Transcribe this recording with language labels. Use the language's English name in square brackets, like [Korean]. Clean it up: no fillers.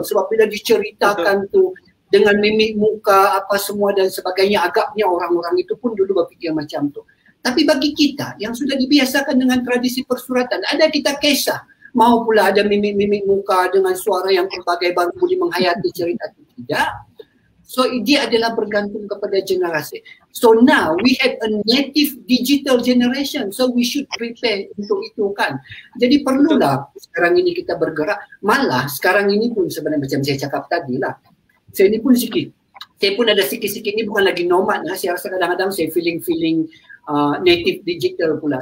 [Malay] Sebab bila diceritakan tu dengan mimik muka apa semua dan sebagainya, agaknya orang-orang itu pun dulu berfikir macam tu. Tapi bagi kita yang sudah dibiasakan dengan tradisi persuratan, ada kita kisah mahu pula ada mimik-mimik muka dengan suara yang pelbagai baru boleh menghayati cerita itu? Tidak. So dia adalah bergantung kepada generasi. [English] So now we have a native digital generation. So we should prepare [Malay] untuk itu kan. Jadi perlulah sekarang ini kita bergerak. Malah sekarang ini pun sebenarnya macam saya cakap tadi lah. Saya ini pun sikit. Saya pun ada sikit-sikit ini bukan lagi nomad lah. Saya rasa kadang-kadang saya feeling-feeling native digital pula.